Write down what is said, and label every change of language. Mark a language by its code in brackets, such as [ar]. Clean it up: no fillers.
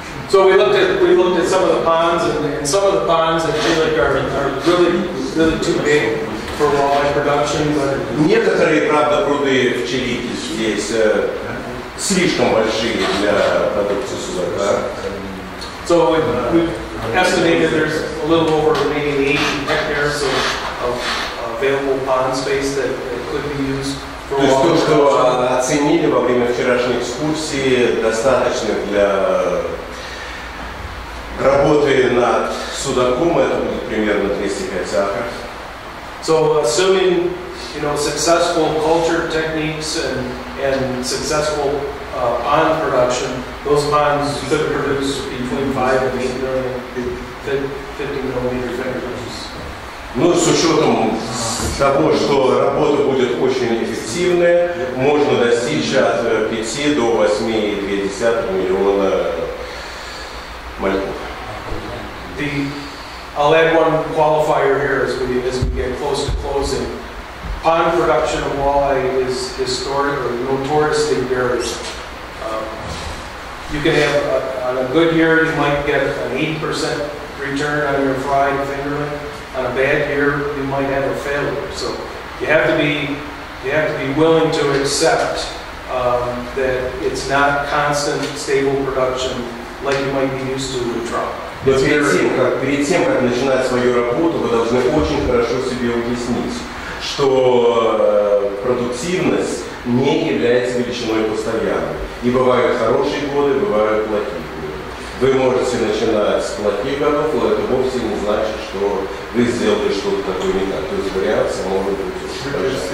[en] So we looked at some of the ponds, and some of the ponds in Chile are really, really too big for walleye production, but... [ru] Некоторые, правда, пруды в Чили здесь слишком большие для продукции судака. [en] So we've estimated there's a little over maybe 80 hectares of available pond space that could be used. [ru] То есть то, что оценили во время вчерашней экскурсии, достаточно для работы над судаком, это будет примерно 205 акров. [en] So assuming, you know, successful culture techniques and successful pond production, those ponds could produce between 5 and 8 million, 50 millimeter hectares. [ru] Ну, с учетом того, что работа будет очень эффективная, можно достичь от 5 до 8,2 миллиона мальков. [en] I'll add one qualifier here as we get close to closing. Pond production of walleye is historically, notoriously varied. You can have, on a good year, you might get an 8% return on your fried fingerling. On a bad year, you might have a failure. So you have to be willing to accept that it's not constant, stable production like you might be used to in a trout. [ru] Но перед тем, как начинать свою работу, вы должны очень хорошо себе объяснить, что продуктивность не является величиной постоянной. И бывают хорошие годы, бывают плохие годы. Вы можете начинать с плохих годов, но это вовсе не значит, что вы сделали что-то такое не так. То есть вариация может быть очень хорошо.